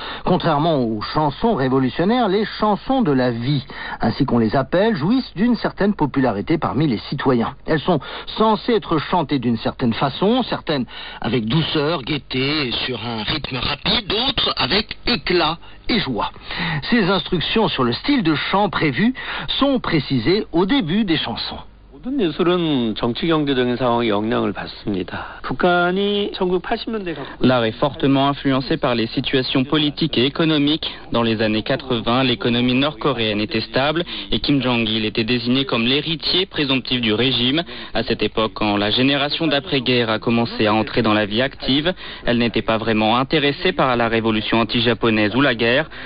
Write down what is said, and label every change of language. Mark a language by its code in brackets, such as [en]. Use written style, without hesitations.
[fr] Contrairement aux chansons révolutionnaires, les chansons de la vie, ainsi qu'on les appelle, jouissent d'une certaine popularité parmi les citoyens. Elles sont censées être chantées d'une certaine façon, certaines avec douceur, gaieté, sur un rythme rapide, d'autres avec éclat et joie. Ces instructions sur le style de chant prévu sont précisées au début des chansons. [ko] 모든 예술은 정치 경제적인 상황에 영향을 받습니다. 북한이 1980년대 [fr] L'art est fortement influencé par les situations politiques et économiques. Dans les années 80, l'économie nord-coréenne était stable et Kim Jong-il était désigné comme l'héritier présomptif du régime. À cette époque, quand la génération d'après-guerre a commencé à entrer dans la vie active, elle n'était pas vraiment intéressée par la révolution anti-japonaise ou la guerre.